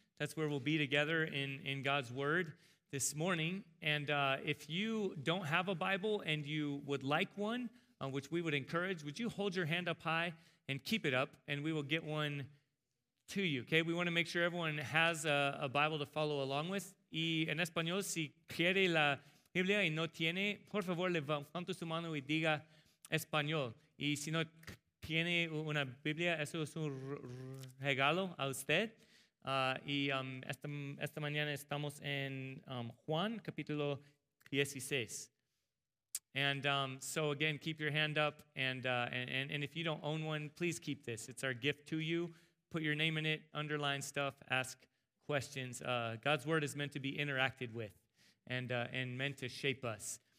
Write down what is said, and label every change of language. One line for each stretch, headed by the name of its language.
English: That's where we'll be together in God's word this morning. And if you don't have a Bible and you would like one, which we would encourage, would you hold your hand up high and keep it up, and we will get one to you, okay? We want to make sure everyone has a Bible to follow along with.
Spanish: Y en español, si quiere la Biblia y no tiene, por favor, levante su mano y diga español. Y si no tiene una Biblia, eso es un regalo a usted. Esta mañana estamos en Juan, capítulo 16.
English: And so again, keep your hand up, and if you don't own one, please keep this. It's our gift to you. Put your name in it, underline stuff, ask questions. God's word is meant to be interacted with and meant to shape us.